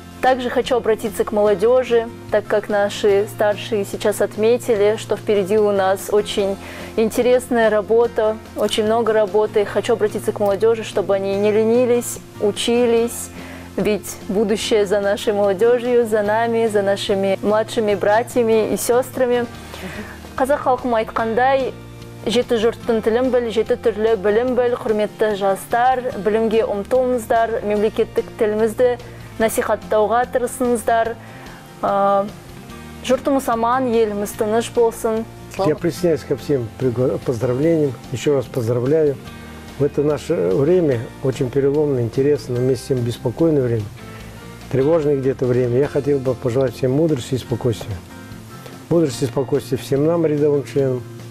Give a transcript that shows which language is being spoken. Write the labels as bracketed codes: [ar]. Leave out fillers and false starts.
[ru] Также хочу обратиться к молодежи, так как наши старшие сейчас отметили, что впереди у нас очень интересная работа, очень много работы. Хочу обратиться к молодежи, чтобы они не ленились, учились, ведь будущее за нашей молодежью, за нами, за нашими младшими братьями и сестрами. [kk] Қазақ халқым айтқандай, жеті жұрттың тілін біл, жеті түрлі білім біл, құрметті жастар, білімге ұмтылыңыздар, мемлекеттік тілімізді насихаттауға тырысыңыздар. Жұртымыз аман, еліміз тыныш болсын. [ru] Я присоединяюсь ко всем поздравлениям. Еще раз поздравляю. В это наше время очень переломное, интересное, вместе с тем беспокойное время, тревожное где-то время. Я хотел бы пожелать всем мудрости и спокойствия. Мудрости и спокойствия всем нам, рядовым членам.